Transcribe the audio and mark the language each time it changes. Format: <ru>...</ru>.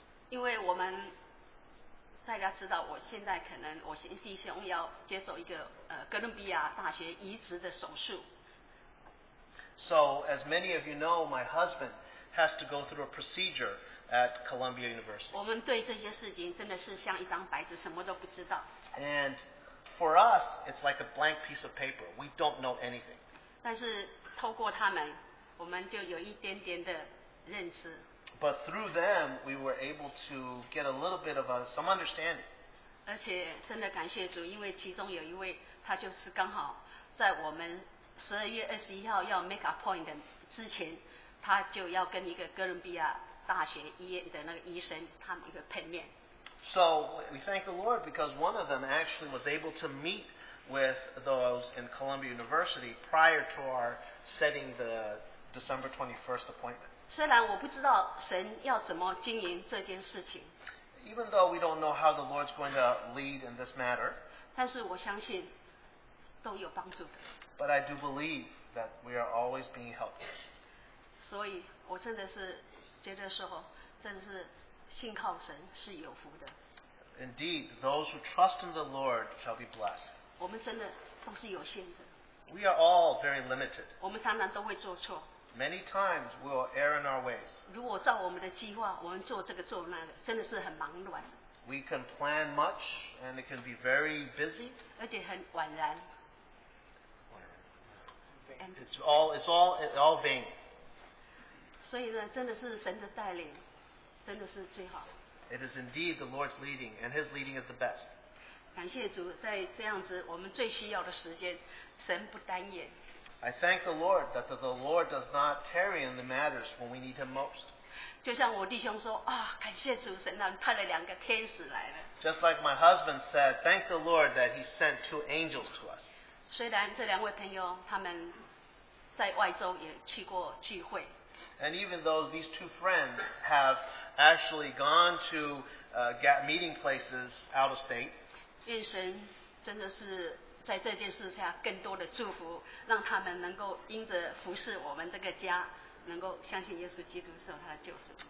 <zh>因为我们 大家知道，我现在可能我弟兄要接受一个哥伦比亚大学移植的手术。</zh> <en>So as many of you know, my husband has to go through a procedure at Columbia University.</en> <zh>我们对这些事情真的是像一张白纸，什么都不知道。</zh> <en>And for us, it's like a blank piece of paper. We don't know anything.</en> <zh>但是透过他们,</zh> <en>but through them, we were able to get a little bit of a, some understanding.</en> <zh>而且真的感谢主，因为其中有一位，他就是刚好在我们12月21号要</zh> <en>make appointment</en> <zh>之前，他就要跟一个哥伦比亚大学医院的那个医生他们一个碰面。</zh> <en>So we thank the Lord because one of them actually was able to meet with those in Columbia University prior to our setting the December 21st appointment.</en> <zh>虽然我不知道神要怎么经营这件事情。</zh> <en>Even though we don't know how the Lord's going to lead in this matter,</en> <zh>但是我相信, 都有帮助,</zh> <en>but I do believe that we are always being helped.</en> <zh>所以我真的是接着说, 真的是信靠神是有福的。</zh> <en>Indeed, those who trust in the Lord shall be blessed.</en> <zh>我们真的都是有限的。</zh> <en>We are all very limited.</en> <zh>我们常常都会做错。</zh> <en>Many times we will err in our ways.</en> <zh>如果照我们的计划, 我们做这个做那个, 真的是很忙乱。</zh> <en>We can plan much and it can be very busy.</en> <zh>而且很晚然。</zh> <en>It's all vain.</en> <zh>所以呢, 真的是神的带领, 真的是最好。</zh> <en>It is indeed the Lord's leading, and His leading is the best.</en> <zh>感谢主, 在这样子, 我们最需要的时间, 神不单言。</zh> <en>I thank the Lord that the Lord does not tarry in the matters when we need Him most.</en> <zh>就像我弟兄说, 哦, 感谢主神啊, 派了两个天使来了。</zh> <en>Just like my husband said, thank the Lord that He sent two angels to us.</en> <zh>虽然这两位朋友, 他们在外州也去过聚会。</zh> <en>And even though these two friends have actually gone to meeting places out of state,</en> <zh>愿神真的是 在这件事下更多的祝福，让他们能够因着服侍我们这个家，能够相信耶稣基督是他的救主。</zh>